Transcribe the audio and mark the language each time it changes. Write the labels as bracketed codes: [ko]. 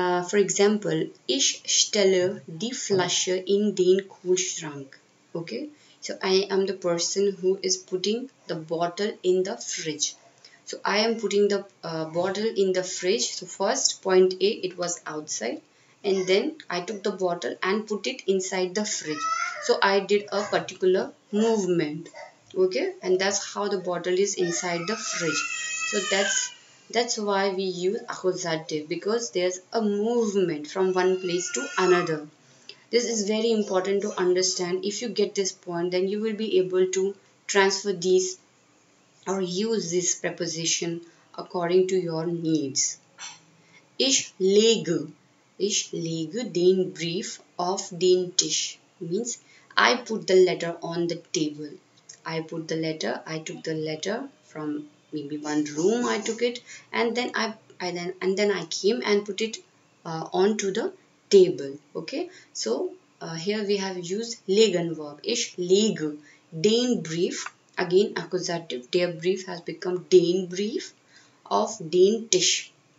[en] For example, [de] ich stelle die Flasche in den Kühlschrank. [en] Okay, so I am the person who is putting the bottle in the fridge. So I am putting the bottle in the fridge. So first point A, it was outside. And then I took the bottle and put it inside the fridge. So I did a particular movement. Okay. And that's how the bottle is inside the fridge. So that's why we use accusative, because there's a movement from one place to another. This is very important to understand. If you get this point, then you will be able to transfer these or use this preposition according to your needs. [de] Ich lege. Ich lege den Brief auf den Tisch, [en] means I put the letter on the table. I put the letter, I took the letter from maybe one room, I took it, and then I came and put it onto the table. Okay, so here we have used legen verb. [de] Ich lege den Brief, [en] again accusative, [de] der Brief [en] has become [de] den Brief auf den Tisch.